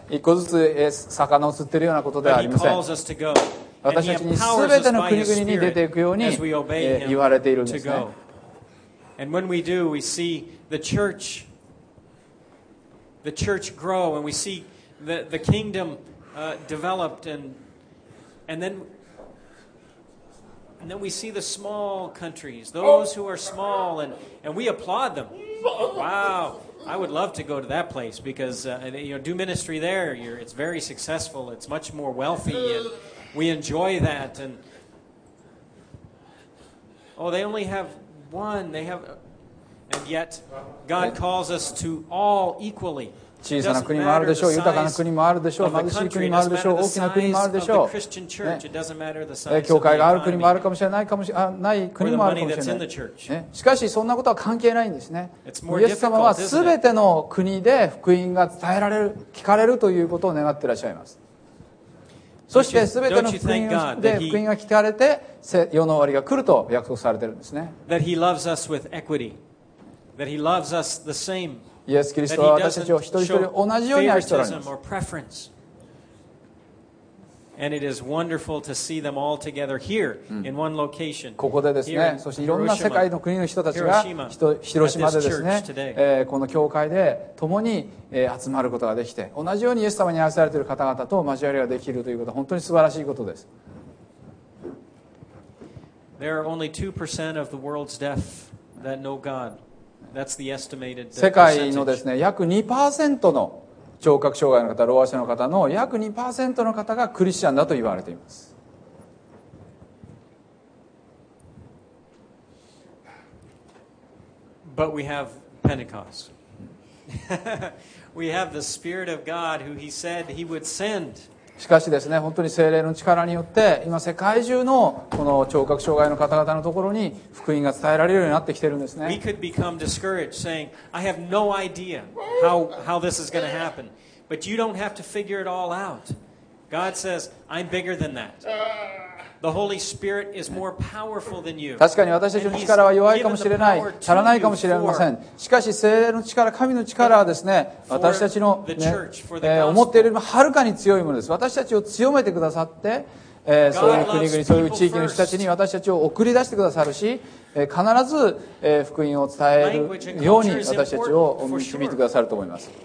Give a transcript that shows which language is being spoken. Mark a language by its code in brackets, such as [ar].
[ja] 一個ずつ魚を釣ってるようなことではありません。私たちに全ての国々に出ていくように言われているんですね。 [en] And when we do, we see the church grow, and we see the kingdom developed, and then we see the small countries, those who are small, and we applaud them. Wow, I would love to go to that place because you know, do ministry there. It's very successful. It's much more wealthy, and we enjoy that. And oh, they only have one. They have. And yet, God calls us to all equally. [ja] 小さな国もあるでしょう、豊かな国もあるでしょう、貧しい国もあるでしょう、大きな国もあるでしょう、ね、教会がある国もあるかもしれない、ない国もあるかもしれない、ね、しかしそんなことは関係ないんですね。イエス様は全ての国で福音が伝えられる、聞かれるということを願っていらっしゃいます。そして全ての福音で福音が聞かれて世の終わりが来ると約束されているんですね。 [en] That he loves us with equity. That he loves us the same. [ja] イエス・キリストは私たちを一人一人同じように愛しておられます。 [en] And it is wonderful to see them all together here in one location. [ja] ここでですね、そしていろんな世界の国の人たちが広島でですね、この教会で共に集まることができて、同じようにイエス様に愛されている方々と交わりができるということは本当に素晴らしいことです。 [en] There are only 2% of the world's deaf that know God. That's the estimated [ja] 世界のですね、約 2% の聴覚障害の方、ろう者の方の約 2% の方がクリスチャンだと言われています。 [en] But we have Pentecost. We have the Spirit of God who he said he would send. [ja] しかしですね、本当に聖霊の力によって今世界中のこの聴覚障害の方々のところに福音が伝えられるようになってきているんですね。 [en] We could become discouraged saying, I have no idea how this is going to happen. But you don't have to figure it all out. God says, I'm bigger than that. The Holy Spirit is more powerful than you. [ja] 確かに私たちの力は弱いかもしれない、足らないかもしれません。しかし聖霊の力、神の力はですね、私たちの、ね、思っているよりもはるかに強いものです。私たちを強めてくださって、そういう国々、そういう地域の人たちに私たちを送り出してくださるし、必ず、福音を伝えるように私たちを導いてくださると思います。